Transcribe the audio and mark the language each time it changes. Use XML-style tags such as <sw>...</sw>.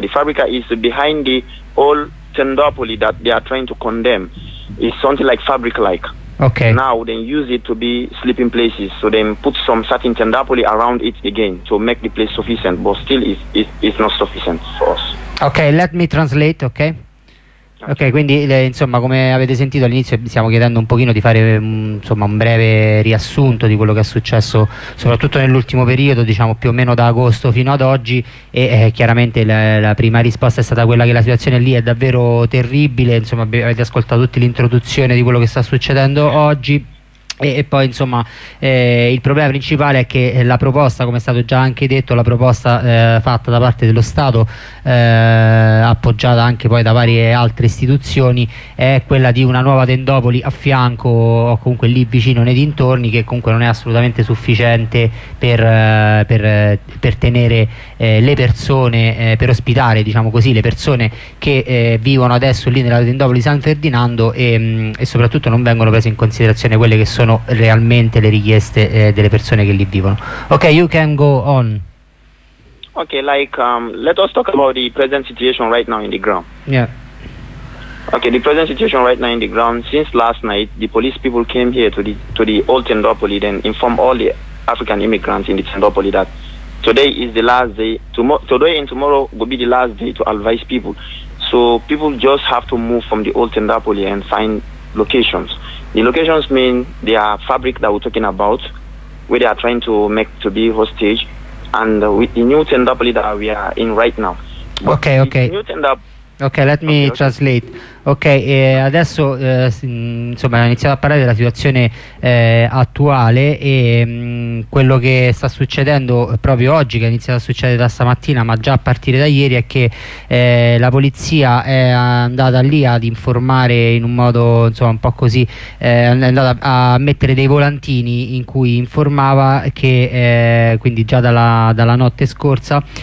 <en>The Fabrica is behind the old tendopoli that they are trying to condemn. It's something like Fabric-like. Okay. Now they use it to be sleeping places, so they put some certain tendopoli around it again to make the place sufficient, but still it's not sufficient for us. Okay, let me translate, okay?</en> <it>Okay, quindi insomma come avete sentito all'inizio stiamo chiedendo un pochino di fare insomma un breve riassunto di quello che è successo soprattutto nell'ultimo periodo, diciamo più o meno da agosto fino ad oggi, e chiaramente la prima risposta è stata quella che la situazione lì è davvero terribile, insomma avete ascoltato tutti l'introduzione di quello che sta succedendo oggi. E poi insomma il problema principale è che la proposta, come è stato già anche detto, la proposta fatta da parte dello Stato appoggiata anche poi da varie altre istituzioni è quella di una nuova tendopoli a fianco o comunque lì vicino nei dintorni, che comunque non è assolutamente sufficiente per tenere le persone, per ospitare diciamo così le persone che vivono adesso lì nella tendopoli San Ferdinando e soprattutto non vengono prese in considerazione quelle che sono realmente le richieste delle persone che lì vivono.</it> <en>Okay, you can go on. Okay, let us talk about the present situation right now in the ground. Yeah. Okay, the present situation right now in the ground, since last night the police people came here to the old tendopoli and informed all the African immigrants in the tendopoli that today is the last day, today and tomorrow will be the last day to advise people. So people just have to move from the old tendopoli and find locations. The locations mean they are fabric that we're talking about, where they are trying to make to be hostage, and with the new Tendapoli that we are in right now. Okay, okay. New okay, let me translate.</en> <it>Ok, adesso insomma ho iniziato a parlare della situazione attuale e quello che sta succedendo proprio oggi, che è iniziato a succedere da stamattina ma già a partire da ieri, è che la polizia è andata lì ad informare in un modo insomma un po' così, è andata a mettere dei volantini in cui informava che quindi già dalla notte scorsa</it>